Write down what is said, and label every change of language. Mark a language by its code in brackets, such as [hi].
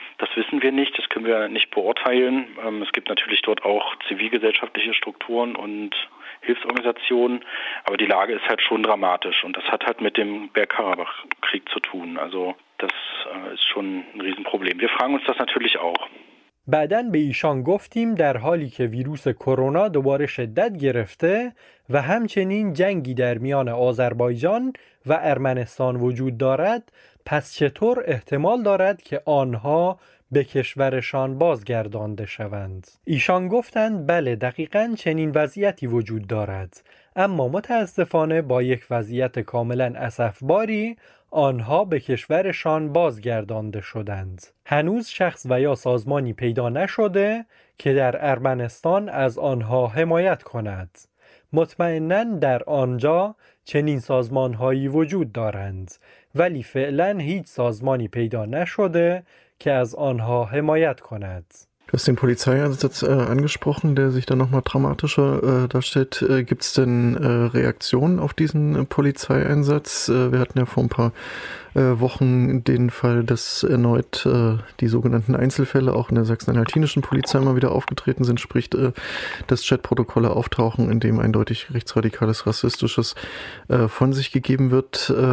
[de] Das wissen wir nicht, das können wir nicht beurteilen. Es gibt natürlich dort auch zivilgesellschaftliche Strukturen und Hilfsorganisationen, aber die Lage ist halt schon dramatisch und das hat halt mit dem Bergkarabach-Krieg zu tun. Also das ist schon ein Riesenproblem. Wir fragen uns das natürlich auch. [fa] بعدن به ایشان گفتیم در حالی که ویروس کرونا دوباره شدت گرفته و همچنین جنگی در میان آذربایجان و ارمنستان وجود دارد، پس چطور احتمال دارد که آنها به کشورشان بازگردانده شوند؟ ایشان گفتند بله، دقیقاً چنین وضعیتی وجود دارد، اما متاسفانه با یک وضعیت کاملاً اسفباری آنها به کشورشان بازگردانده شدند. هنوز شخص و یا سازمانی پیدا نشده که در ارمنستان از آنها حمایت کند. مطمئناً در آنجا چنین سازمانهایی وجود دارند، ولی فعلاً هیچ سازمانی پیدا نشده که از آنها حمایت کند. [de] Du hast den Polizeieinsatz angesprochen, der sich dann nochmal dramatischer darstellt. Gibt es denn Reaktionen auf diesen Polizeieinsatz? Wir hatten ja vor ein paar Wochen den Fall, dass erneut die sogenannten Einzelfälle auch in der sachsen-anhaltinischen Polizei mal wieder aufgetreten sind, sprich, dass Chatprotokolle auftauchen, in dem eindeutig rechtsradikales, rassistisches von sich gegeben wird.